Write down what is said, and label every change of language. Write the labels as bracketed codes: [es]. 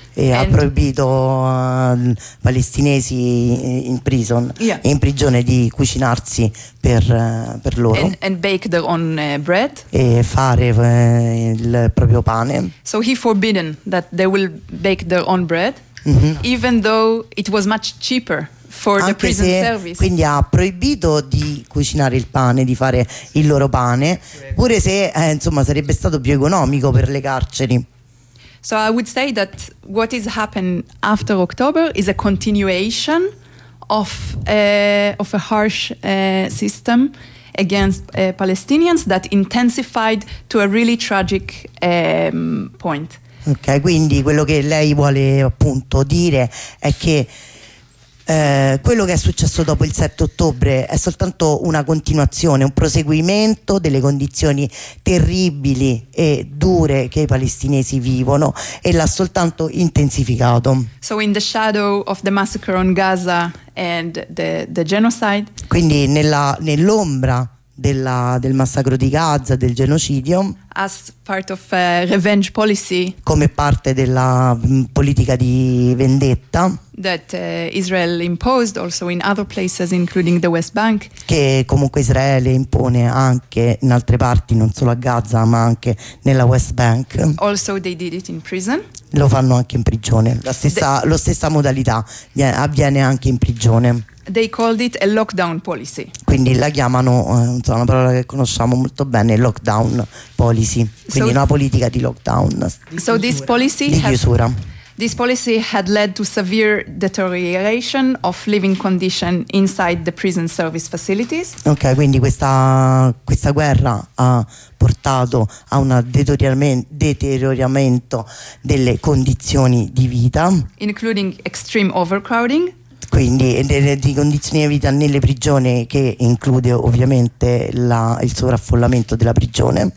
[it] E ha proibito palestinesi in prigione di cucinarsi per loro. [en] And bake their own bread. [it] E fare il proprio pane. [en] So he forbidden that they will bake their own bread. Mm-hmm. Even though it was much cheaper. For [it] anche [en] the prison [it] se, [en] service. [it] Quindi ha proibito di cucinare il pane, di fare il loro pane, pure se insomma sarebbe stato più economico per le carceri. [en] So I would say that what is happened after October is a continuation of a harsh system against Palestinians that intensified to a really tragic point. [it] Ok, quindi quello che lei vuole appunto dire è che quello che è successo dopo il 7 ottobre è soltanto una continuazione, un proseguimento delle condizioni terribili e dure che i palestinesi vivono, e l'ha soltanto intensificato. [en] So in the shadow of the massacre on Gaza and the genocide. [it] Quindi nell'ombra del massacro di Gaza, del genocidio. [en] As part of revenge policy. [it] Come parte della politica di vendetta. [en] That Israel imposed also in other places, including the West Bank. [it] Che comunque Israele impone anche in altre parti, non solo a Gaza, ma anche nella West Bank. [en] Also they did it in prison. [it] Lo fanno anche in prigione. La stessa modalità avviene anche in prigione. [en] They called it a lockdown policy. [it] Quindi la chiamano, una parola che conosciamo molto bene, [en] lockdown policy. [it] Quindi una politica di lockdown. [en] So this policy [it] di chiusura. [en] This policy had led to severe deterioration of living condition inside the prison service facilities. [it] Ok, quindi questa guerra ha portato a un deterioramento delle condizioni di vita, [en] including extreme overcrowding. [it] quindi di condizioni di vita nelle prigioni, che include ovviamente il sovraffollamento della prigione.